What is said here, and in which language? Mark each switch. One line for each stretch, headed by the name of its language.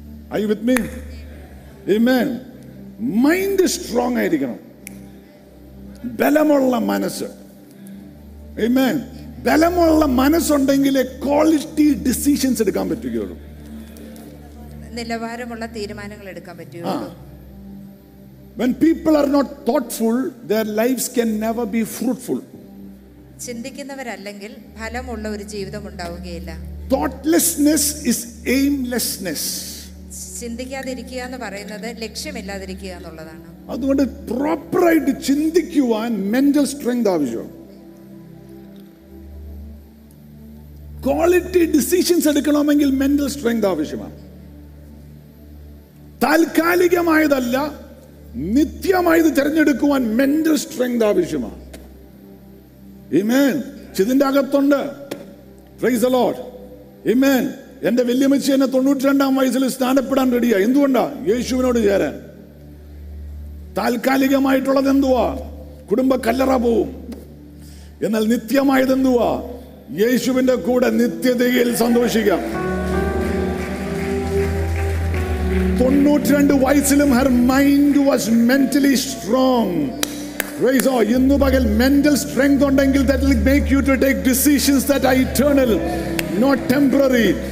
English: Are you with me?
Malayalam: Amen. Mind strong ആയിരിക്കണം, ബലമുള്ള മനസ്സ്. ആമേൻ. ബലമുള്ള മനസ്സുണ്ടെങ്കിലേ ക്വാളിറ്റി ഡിസിഷൻസ് എടുക്കാൻ പറ്റുകയുള്ളൂ, നിലവാരമുള്ള തീരുമാനങ്ങൾ എടുക്കാൻ പറ്റുകയുള്ളൂ.
English: When people are not thoughtful, their lives can never be fruitful.
Malayalam: ചിന്തിക്കുന്നവരല്ലെങ്കിൽ ഫലമുള്ള ഒരു ജീവിതം ഉണ്ടാവുകയില്ല.
English: Thoughtlessness is aimlessness.
Malayalam: ചിന്തിക്കാതിരിക്കുക എന്ന് പറയുന്നത് ലക്ഷ്യമില്ലാതിരിക്കുക എന്നുള്ളതാണ്. അതുകൊണ്ട് പ്രോപ്പർ ആയിട്ട് ചിന്തിക്കുവാൻ മെന്റൽ സ്ട്രെങ്ത് ആവശ്യമാണ്. ക്വാളിറ്റി ഡിസിഷൻസ് എടുക്കണമെങ്കിൽ മെന്റൽ സ്ട്രെങ്ത് ആവശ്യമാണ്. താൽക്കാലികമായതല്ല, നിത്യമായത് തിരഞ്ഞെടുക്കുവാൻ മെന്റൽ സ്ട്രെങ്ത് ആവശ്യമാണ്. ആമേൻ. ചിതിന്റെ അകത്തുണ്ട്.
English: Praise the lord.
Malayalam: ആമേൻ. എന്റെ വല്യമ്മച്ചി എന്നെ 92 വയസ്സിൽ സ്നാനപ്പെടാൻ റെഡിയാ. എന്തുകൊണ്ടാ? യേശുവിനോട് ചേരാൻ. താൽക്കാലികമായിട്ടുള്ളത് എന്തുവാ? കുടുംബ കല്ലറ പോവും. എന്നാൽ നിത്യമായത് എന്തുവാ? യേശുവിന്റെ കൂടെ നിത്യതയിൽ സന്തോഷിക്കാം. 92 വയസ്സിലും
English: Her mind was mentally strong. Praise God.
Malayalam: Innu pagal
English: mental strength undengil that will make you to take decisions that are eternal, not temporary.